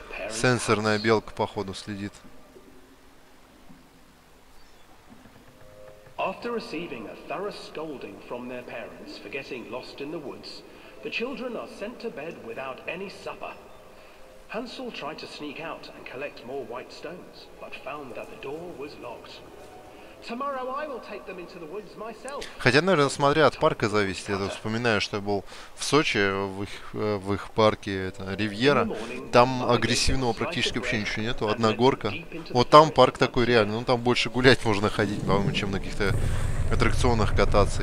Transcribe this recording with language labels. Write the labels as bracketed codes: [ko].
[ru] Сенсорная белка, походу, следит. [en] After receiving a thorough scolding from their parents for getting lost in the woods, the children are sent to bed without any supper. Hansel tried to sneak out and collect more white stones, but found that the door was locked. Tomorrow I will take them into the woods myself. [ru] Хотя, наверное, смотря от парка зависит. Я вспоминаю, что я был в Сочи, в их парке, это, Ривьера. Там агрессивного практически вообще ничего нету. Одна горка. Вот там парк такой реальный. Ну, там больше гулять можно ходить, по-моему, чем на каких-то аттракционах кататься.